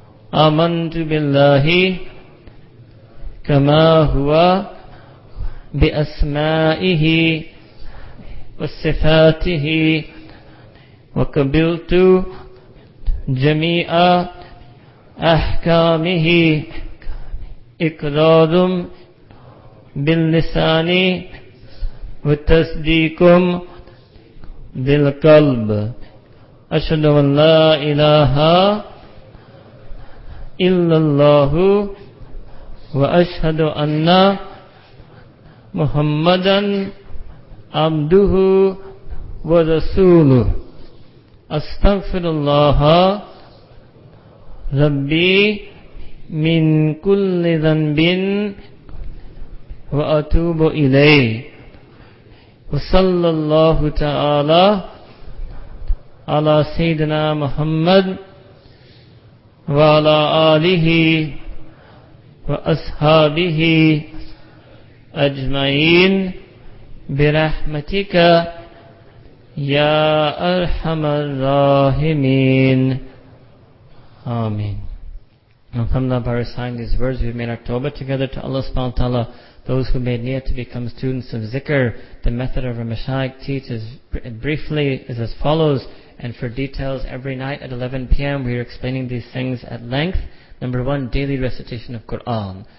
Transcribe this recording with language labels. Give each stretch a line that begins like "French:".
Arabic: Amantu billahi kama huwa bi asma'ihi وصفاته وقبلت جميع أحكامه إقرار باللسان وتصديق بالقلب أشهد أن لا إله إلا الله وأشهد أن محمدا عبده ورسوله أستغفر الله ربي من كل ذنب وأتوب إليه وصلى الله تعالى على سيدنا محمد وعلى آله وأصحابه أجمعين برحمتك يا أرحم الراحمين آمين.
English: Alhamdulillah, by reciting these words, we've made our tawbah together to Allah subhanahu wa ta'ala. Those who made niyyah to become students of zikr, the method of our mashayikh teaches briefly is as follows, and for details, every night at 11 p.m. we are explaining these things at length. Number one, daily recitation of Qur'an.